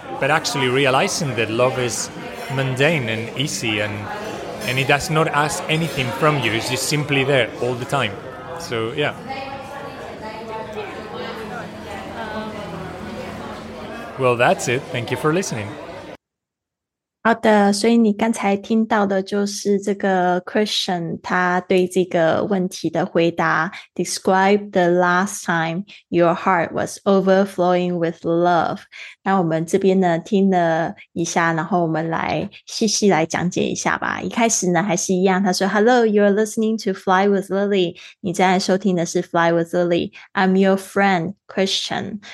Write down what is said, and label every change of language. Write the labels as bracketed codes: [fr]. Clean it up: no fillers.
[en] But actually realizing that love is mundane and easy and it does not ask anything from you. It's just simply there all the time. So, yeah. Well, that's it. Thank you for listening. [zh] 好的，所以你刚才听到的就是这个 Christian 他对这个问题的回答 [en] Describe the last time your heart was overflowing with love. [zh] 那我们这边呢听了一下，然后我们来细细来讲解一下吧。一开始呢还是一样，他说 [en] Hello, you're listening to Fly with Lily. [zh] 你正在收听的是 Fly with Lily. [en] I'm your friend Christian.